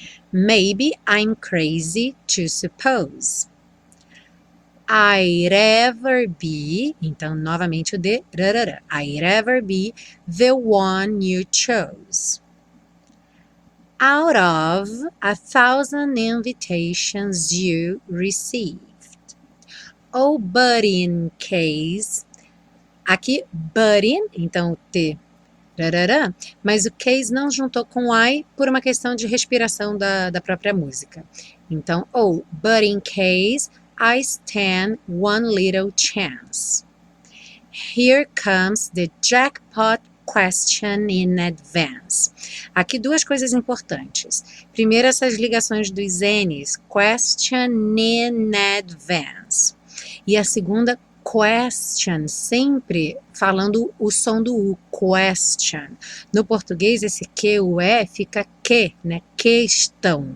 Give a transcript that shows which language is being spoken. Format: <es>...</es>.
<en>Maybe I'm crazy to suppose I'd ever be,</en> <pt>então novamente o D,</pt> <en>I'd ever be the one you chose. Out of 1,000 invitations you received. Oh, but in case,</en> <pt>aqui,</pt> <en>but in,</en> <pt>então T, mas o case não juntou com I por uma questão de respiração da própria música. Então,</pt> <en>oh, but in case, I stand one little chance. Here comes the jackpot question in advance.</en> <pt>Aqui duas coisas importantes. Primeiro, essas ligações dos N's.</pt> <en>Question in advance.</en> <pt>E a segunda,</pt> <en>question.</en> <pt>Sempre falando o som do U. Question. No português, esse Q, o E, fica que, né? Questão.</pt>